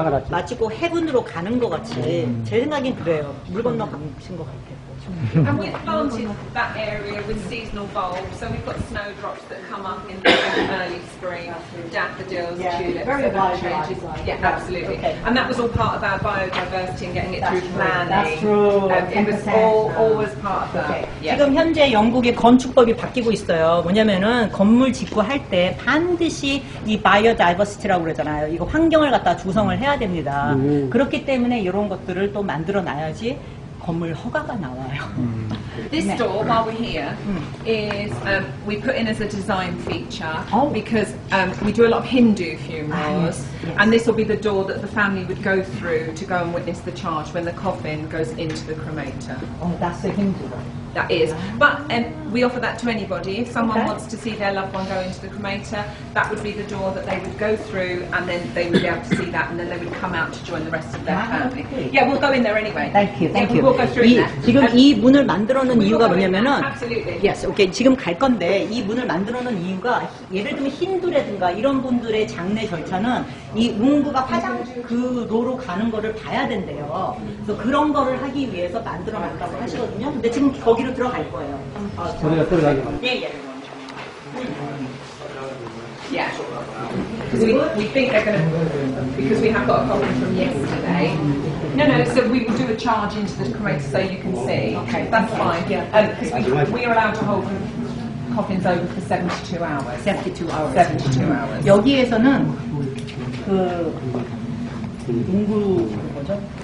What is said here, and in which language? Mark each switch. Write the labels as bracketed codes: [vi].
[ko] 마치고 헤븐으로 가는 것 같이 제 생각엔 그래요. 물 건너 가신 것 같아요. [en] And we've planted that area with seasonal bulbs, so we've got snowdrops that come up in the early spring, daffodils, yeah, tulips, very biodiverse. Yeah, that. Absolutely. Okay. And that was all part of our biodiversity and getting it That's through planning. That's true. It was always part of that. Okay. Yeah. [ko] 지금 현재 영국의 건축법이 바뀌고 있어요. 뭐냐면은 건물 짓고 할 때 반드시 이 biodiversity라고 그러잖아요. 이거 환경을 갖다 조성을 해야 됩니다. 그렇기 때문에 이런 것들을 또 만들어 놔야지. 건물 허가가 나와요. [en] This [ko] 네. [en] door, while we're here, is we put in as a design feature oh. because we do a lot of Hindu funerals, yes. and this will be the door that the family would go through to go and witness the charge when the coffin goes into the cremator. Oh, that's a Hindu one. That is. Yeah. But we offer that to anybody. If someone okay. wants to see their loved one go into the cremator, that would be the door that they would go through and then they would be able to see that and then they would come out to join the rest of their family. Okay. Yeah, we'll go in there anyway. Thank you. Thank yeah, you. We'll go through [ko] 이, [en] there. [ko] 지금 이 문을 만들어놓은 이유가 뭐냐면은 [en] Absolutely. Yes, okay. [ko] 지금 갈 건데 이 문을 만들어놓은 이유가 예를 들면 힌두라든가 이런 분들의 장례 절차는 이 웅구가 화장 그 로로 가는 거를 봐야 된대요. 그래서 그런 거를 하기 위해서 만들어놨다고 하시거든요. 근데 지금 거기 여기에서는 그 뭐죠?